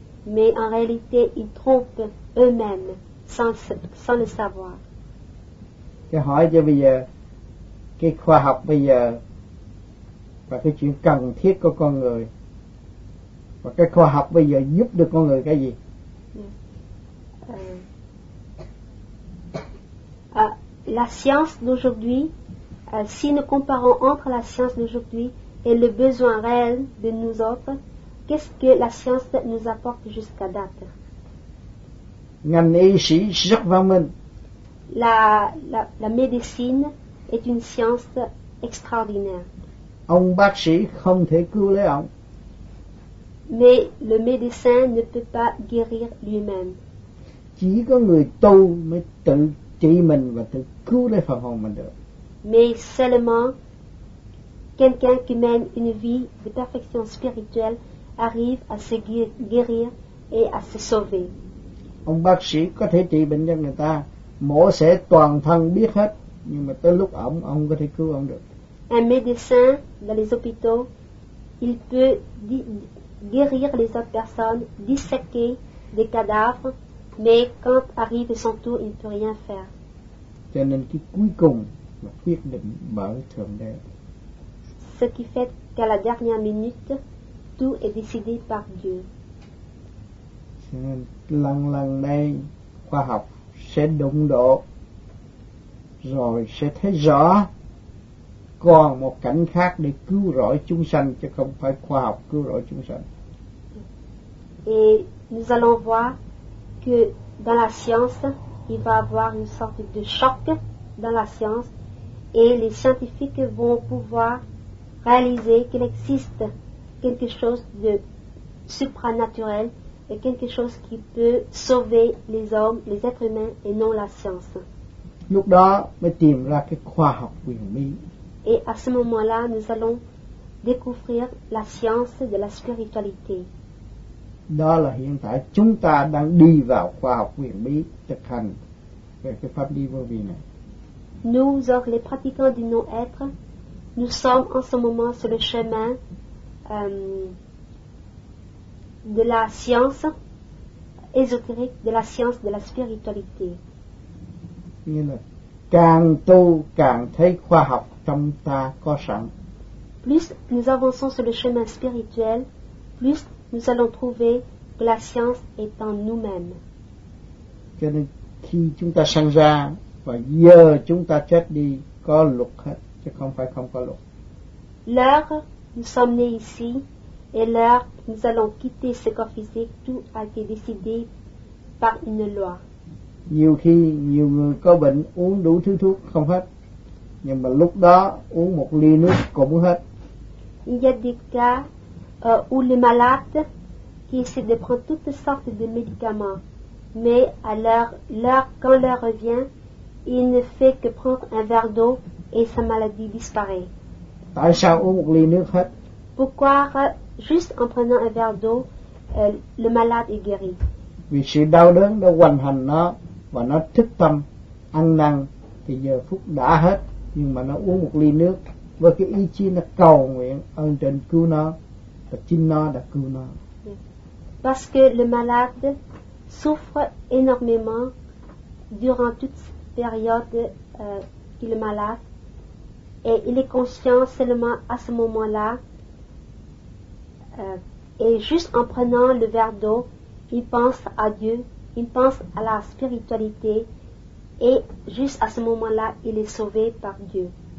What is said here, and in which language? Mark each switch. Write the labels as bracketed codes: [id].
[fr] Mais en réalité, ils trompent eux-mêmes sans le savoir. [vi] Cái hỏi cho bây giờ, cái khoa học bây giờ và cái chuyện cần thiết của con người. Và cái khoa học bây giờ giúp được con người cái gì? [fr] La science d'aujourd'hui, si nous comparons entre la science d'aujourd'hui et le besoin réel de nous autres, qu'est-ce que la science nous apporte jusqu'à date? [vi] Ngành y sĩ rất văn minh. [fr] La médecine est une science extraordinaire. [vi] Ông bác sĩ không thể cứu lấy ông. [fr] Mais le médecin ne peut pas guérir lui-même. [vi] Chỉ có người tu mới tự trị mình và tự cứu lấy phần hồn mình được. [fr] Mais seulement quelqu'un qui mène une vie de perfection spirituelle arrive à se guérir et à se sauver. [vi] Ông bác sĩ có thể trị bệnh cho người ta, mổ xẻ toàn thân biết hết, nhưng mà tới lúc ông có thể cứu ông được. [fr] Un médecin dans les hôpitaux, il peut guérir les autres personnes, disséquer des cadavres, mais quand arrive son tour, il ne peut rien faire. [vi] Cho nên cái cuối cùng là quyết định bởi Thượng Đế. [fr] Ce qui fait qu'à la dernière minute, tout est décidé par Dieu. [vi] lần lần đây khoa học sẽ đụng độ, rồi sẽ thấy rõ còn một cảnh khác để cứu rỗi chúng sanh, chứ không phải khoa học cứu rỗi chúng sanh. [fr] Et nous allons voir que dans la science, il va avoir une sorte de choc dans la science, et les scientifiques vont pouvoir réaliser qu'il existe quelque chose de supranaturel et quelque chose qui peut sauver les hommes, les êtres humains, et non la science. [vi] Lúc đó mới tìm ra cái khoa học huyền bí. [fr] Et à ce moment-là, nous allons découvrir la science de la spiritualité. [vi] Đó là hiện tại chúng ta đang đi vào khoa học huyền bí, thực hành về cái pháp đi vô vi này. [fr] Nous autres, les pratiquants du non-être, nous sommes en ce moment sur le chemin de la science ésotérique, de la science de la spiritualité. [vi] Nghĩa là càng tu càng thấy khoa học trong ta có sẵn. [fr] Plus nous avançons sur le chemin spirituel, plus nous allons trouver que la science est en nous-mêmes. [vi] Cho nên khi chúng ta sanh ra và giờ chúng ta chết đi có luật hết, chứ không phải không có luật. [fr] L'heure nous sommes nés ici et l'heure nous allons quitter ce corps physique, tout a été décidé par une loi. [vi] Nhiều khi nhiều người có bệnh uống đủ thứ thuốc không hết, nhưng mà lúc đó uống một ly nước cũng hết. [fr] Il y a des cas où les malades qui essaient de prendre toutes sortes de médicaments, mais à l'heure quand l'heure revient, il ne fait que prendre un verre d'eau et sa maladie disparaît. [vi] Tại sao uống một ly nước hết? [fr] Pourquoi juste en prenant un verre d'eau, le malade est guéri? [vi] Vì sự đau đớn đã hoành hành nó và nó thức tâm ăn năn thì giờ phút đã hết, nhưng mà nó uống một ly nước với cái ý chí nó cầu nguyện ơn trên cứu nó và chính nó đã cứu nó. [fr] Parce que le malade souffre énormément durant toute période qu'il est malade et il est conscient seulement à ce moment-là et juste en prenant le verre d'eau, il pense à Dieu, il pense à la spiritualité et juste à ce moment-là, il est sauvé par Dieu.